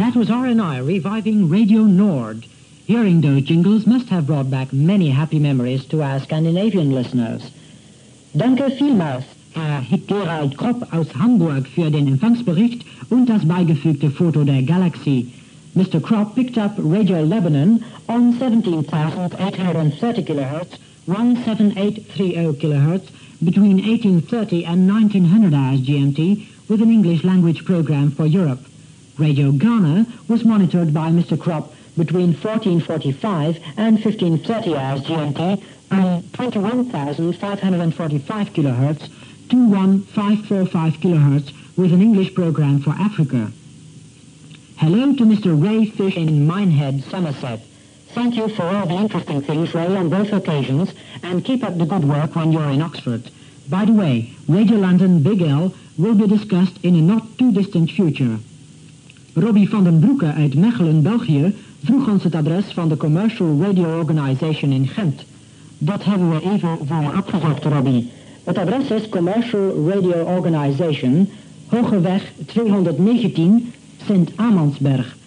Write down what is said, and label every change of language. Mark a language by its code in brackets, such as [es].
[en] RNI reviving Radio Nord. Hearing those jingles must have brought back many happy memories to our Scandinavian listeners. [de] Danke vielmals Herr Gerald Kropp aus Hamburg für den Empfangsbericht und das beigefügte Foto der Galaxie. [en] Mr. Kropp picked up Radio Lebanon on 17,830 kHz, 17830 kHz, between 1830 and 1900 hours GMT, with an English language program for Europe. Radio Ghana was monitored by Mr. Kropp between 1445 and 1530 hours GMT, and 21,545 kHz, 21545 kHz, with an English program for Africa. Hello to Mr. Ray Fish in Minehead, Somerset. Thank you for all the interesting things, Ray, on both occasions, and keep up the good work when you're in Oxford. By the way, Radio London Big L will be discussed in a not-too-distant future. [nl] Robbie van den Broeke uit Mechelen, België, vroeg ons het adres van de commercial radio organization in Gent. Dat hebben we even voor opgezocht, Robbie. Het adres is Commercial Radio Organization, Hogeweg 219, Sint Amandsberg.